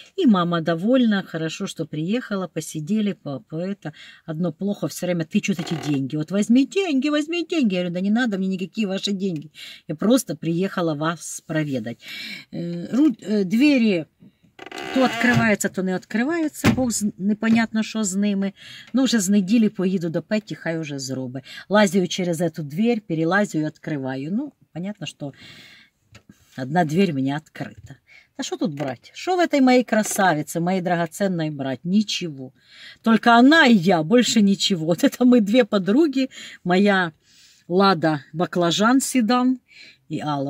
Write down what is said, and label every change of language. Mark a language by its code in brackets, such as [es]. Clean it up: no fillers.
[ru] И мама довольна, хорошо, что приехала, посидели, папа, это одно плохо, все время тычут эти деньги. Вот возьми деньги, возьми деньги. Я говорю, да не надо мне никакие ваши деньги. Я просто приехала вас проведать. Двери то открываются, то не открываются, Бог непонятно, что с ними. [uk] Ну, уже с недели поїду до Петі, хай уже зроби. [ru] Лазю через эту дверь, перелазю и открываю. Ну, понятно, что одна дверь у меня открыта. А что тут брать? Что в этой моей красавице, моей драгоценной брать? Ничего. Только она и я, больше ничего. Вот это мы две подруги, моя Лада Баклажан Седан и Алла.